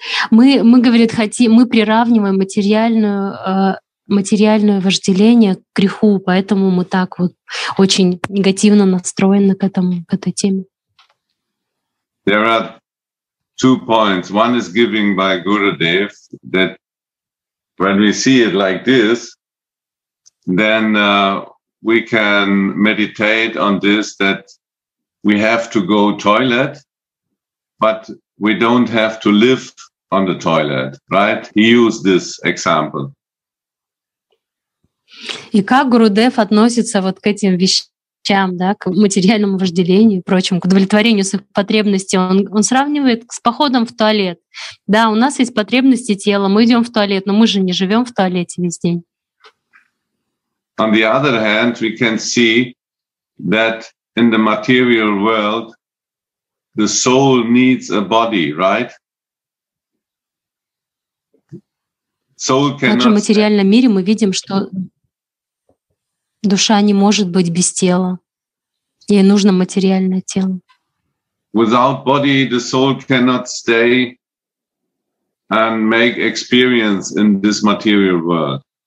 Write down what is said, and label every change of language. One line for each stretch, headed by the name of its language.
Russian: мы говорит, хотим, мы приравниваем материальное вожделение к греху, поэтому мы так вот очень негативно настроены к этой теме.
English: There are two points. One is given by Gurudev that when we see it like this, then we can meditate on this that we have to go toilet, but we don't have to live on the toilet, right? He used this example.
Russian: И как Гурудев относится вот к этим вещам, да, к материальному вожделению и прочим, к удовлетворению своих потребностей? Он сравнивает с походом в туалет. Да, у нас есть потребности тела, мы идем в туалет, но мы же не живем в туалете весь день.
English: On the other hand, we can see that in the material world, the soul needs a body, right? Soul cannot.
Russian: Также в материальном мире мы видим, что душа не может быть без тела. Ей нужно материальное тело.
English: Without body, the soul cannot stay and make experience in this material world.